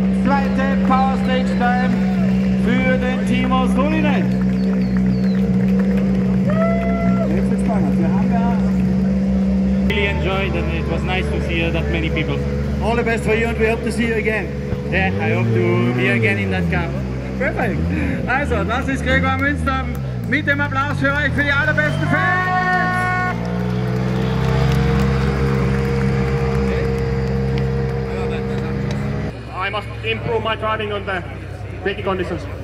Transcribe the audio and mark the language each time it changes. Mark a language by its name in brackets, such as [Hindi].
[German] Zweite Power Stage Time für den Timo Sulinen. [English] Really enjoyed and it was nice to see that many people. All the best for you and we hope to see you again. Yeah, I hope to be again in that car. [German] Perfekt. Also, das ist Gregor Münster mit dem Applaus für euch, für die allerbesten Fans! [English] I must improve my driving on the braking conditions.